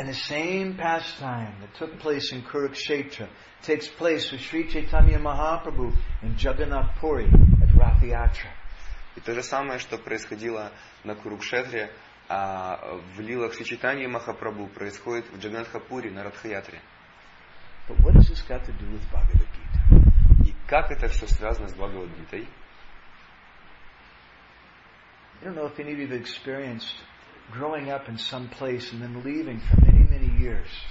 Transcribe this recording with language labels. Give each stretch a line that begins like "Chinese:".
English: And the same pastime that took place in Kurukshetra takes place with Sri Chaitanya Mahaprabhu in Jagannath Puri at Rathyatra.
Russian: И то же самое, что происходило на Курукшетре, в лилах Шри Чайтаньи Махапрабху происходит в Джаганнатхапури на Ратхаятре.
English: But what has this got to do with Bhagavad Gita?
Russian: И как это все связано с Бхагавад Гитой?
English: I don't know if any of you have experienced growing up in some place and then leaving for many, many years.